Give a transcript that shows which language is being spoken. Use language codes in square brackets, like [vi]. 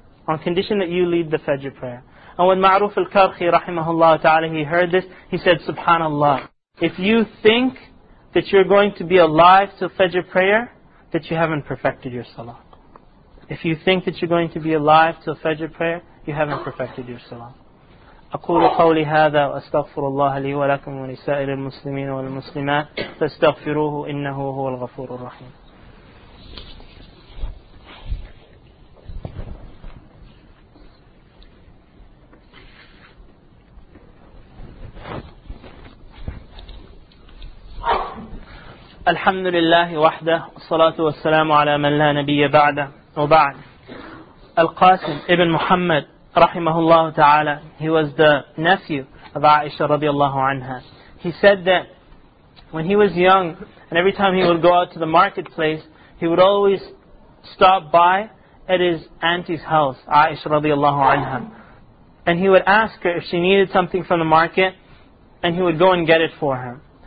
[en] On condition that you lead the Fajr prayer. And when Ma'ruf al-Karkhi, [ar] rahimahullah ta'ala, [en] he heard this, he said, subhanallah, if you think that you're going to be alive till Fajr prayer, that you haven't perfected your salah. If you think that you're going to be alive till Fajr prayer, you haven't perfected your salah. [ar] أقول قولي هذا وأستغفر الله لي ولكم ولسائر المسلمين والمسلمات فاستغفروه إنه هو الغفور الرحيم. الحمد لله وحده والصلاة والسلام على من لا نبي بعده وبعد. [en] القاسم ابن محمد [ar] رحمه الله تعالى, [en] he was the nephew of Aisha [ar] رضي الله عنها. [en] He said that when he was young and every time he would go out to the marketplace, he would always stop by at his auntie's house, Aisha [ar] رضي الله عنها, [en] and he would ask her if she needed something from the market and he would go and get it for her.